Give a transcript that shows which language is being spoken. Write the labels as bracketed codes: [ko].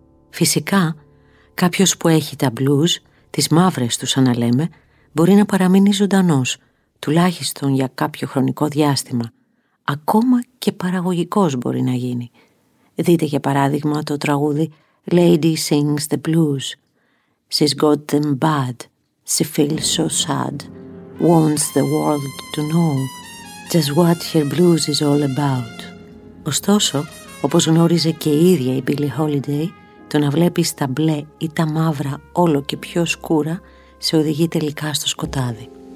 [el] Φυσικά, κάποιος που έχει τα blues, τις μαύρες τους αναλέμε, μπορεί να παραμείνει ζωντανός, τουλάχιστον για κάποιο χρονικό διάστημα. Ακόμα και παραγωγικός μπορεί να γίνει. Δείτε για παράδειγμα το τραγούδι «Lady Sings the Blues». [en] «She's got them bad, she feels so sad, wants the world to know just what her blues is all about». [el] Ωστόσο, όπως γνώριζε και η ίδια η Billie Holiday, το να βλέπεις τα μπλε ή τα μαύρα όλο και πιο σκούρα σε οδηγεί τελικά στο σκοτάδι.